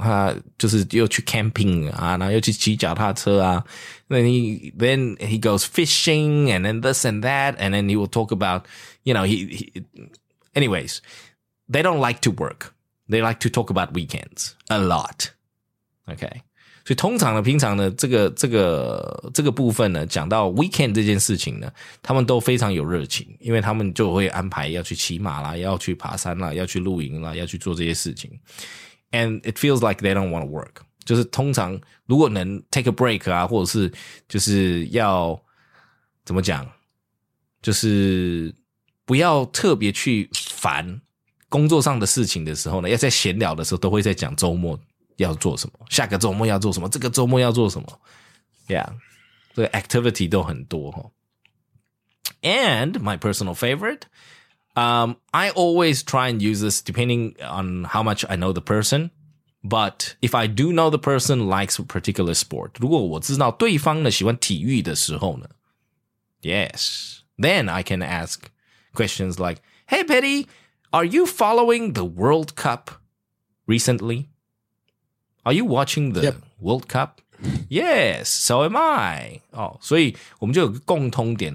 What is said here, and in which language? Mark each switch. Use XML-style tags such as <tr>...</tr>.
<zh>他就是又去 camping 啊，然后又去骑脚踏车啊。</zh> <en>Then he goes fishing and then this and that. And then he will talk about, you know, anyways, they don't like to work. They like to talk about weekends a lot. Okay.</en> <zh>所以通常呢，平常呢，这个部分呢，讲到 weekend 这件事情呢，他们都非常有热情，因为他们就会安排要去骑马啦，要去爬山啦，要去露营啦，要去做这些事情。</zh> <en>And it feels like they don't want to work.</en> <zh>就是通常如果能 take a break 啊，或者是就是要怎么讲，就是不要特别去烦工作上的事情的时候呢，要在闲聊的时候都会在讲周末要做什么，下个周末要做什么，这个周末要做什么。 Yeah, 这个 activity 都很多、哦。</zh> <en>And my personal favorite, I always try and use this depending on how much I know the person, but if I do know the person likes a particular sport, 如果我知道对方呢喜欢体育的时候呢， yes, then I can ask questions like, hey, Petty,Are you following the World Cup recently? Are you watching the、yep. World Cup? Yes, so am I.</en> <zh>Oh, 所以我们就有个共通点。</zh>